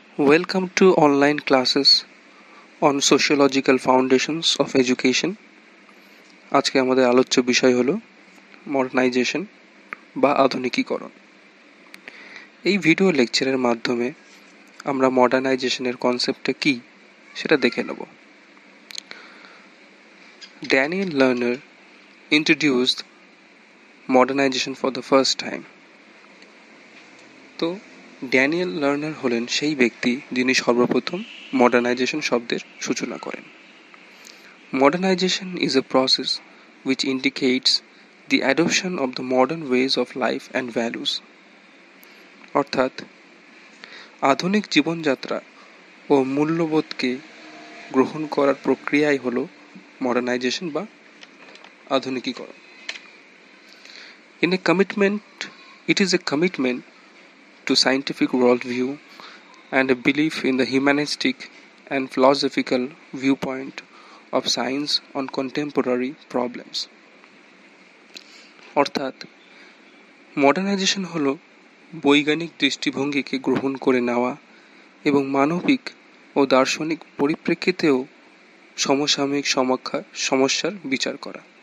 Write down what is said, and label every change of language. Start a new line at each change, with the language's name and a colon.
English: Welcome to online classes on sociological foundations of education.
Bangla: আজকে আমাদের আলোচ্য বিষয় হলো মডার্নাইজেশন বা আধুনিকীকরণ। এই ভিডিও লেকচারের মাধ্যমে আমরা মডার্নাইজেশনের কনসেপ্টটা কি সেটা দেখে নেব।
English: Daniel Lerner introduced modernisation for the first time.
Bangla: তো ড্যানিয়েল লার্নার হলেন সেই ব্যক্তি যিনি সর্বপ্রথম মডার্নাইজেশন শব্দের সূচনা করেন।
English: modernisation is a process which indicates the adoption of the modern ways of life and values,
Bangla: অর্থাৎ আধুনিক জীবনযাত্রা ও মূল্যবোধকে গ্রহণ করার প্রক্রিয়াই হল মডার্নাইজেশন বা আধুনিকীকরণ।
English: In a commitment it is a commitment to scientific worldview and a belief in the humanistic and philosophical viewpoint of science on contemporary problems.
Bangla: অর্থাৎ modernisation হলো বৈজ্ঞানিক দৃষ্টিভঙ্গিকে গ্রহণ করে নেওয়া এবং মানবিক ও দার্শনিক পরিপ্রেক্ষিতেও সমসাময়িক সমস্যার বিচার করা।